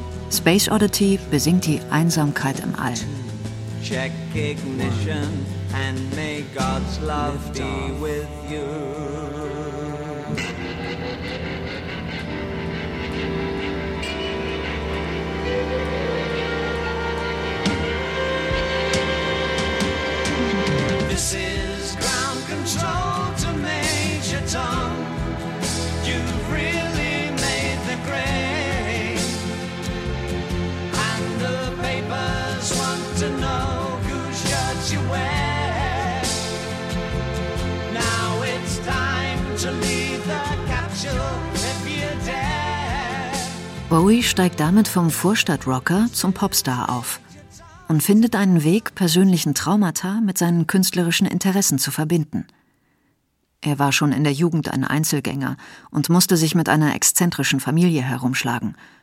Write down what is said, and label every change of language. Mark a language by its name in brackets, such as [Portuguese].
[German] Space Oddity besingt die Einsamkeit im All. [English] Check ignition and may God's love be with you. This is ground control to Major Tom. You've really made the grade. And the papers want to know whose shirt you wear. Now it's time to leave the capsule if you dare. [German] Bowie steigt damit vom Vorstadtrocker zum Popstar auf und findet einen Weg, persönlichen Traumata mit seinen künstlerischen Interessen zu verbinden. Er war schon in der Jugend ein Einzelgänger und musste sich mit einer exzentrischen Familie herumschlagen.